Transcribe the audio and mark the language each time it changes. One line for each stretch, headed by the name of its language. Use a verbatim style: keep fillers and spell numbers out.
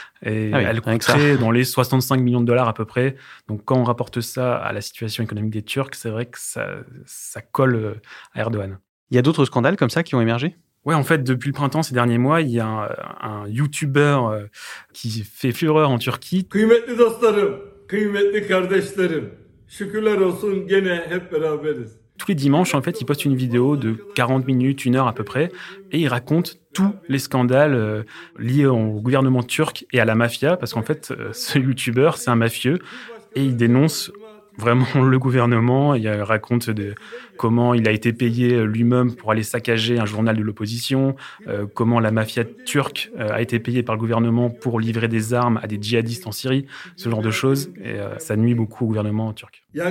French: Et ah oui, elle coûterait dans les soixante-cinq millions de dollars à peu près. Donc, quand on rapporte ça à la situation économique des Turcs, c'est vrai que ça, ça colle à Erdogan. Il y a d'autres scandales comme ça qui ont émergé ? Oui, en fait, depuis le printemps, ces derniers mois, il y a un, un YouTuber qui fait fureur en Turquie.
Turkish: Kıymetli dostlarım, kıymetli kardeşlerim, şükürler olsun gene hep beraberiz.
French: Tous les dimanches, en fait, il poste une vidéo de quarante minutes, une heure à peu près, et il raconte tous les scandales euh, liés au gouvernement turc et à la mafia, parce qu'en fait, euh, ce YouTuber, c'est un mafieux, et il dénonce vraiment le gouvernement. Il raconte de, comment il a été payé lui-même pour aller saccager un journal de l'opposition, euh, comment la mafia turque euh, a été payée par le gouvernement pour livrer des armes à des djihadistes en Syrie, ce genre de choses, et euh, ça nuit beaucoup au gouvernement turc.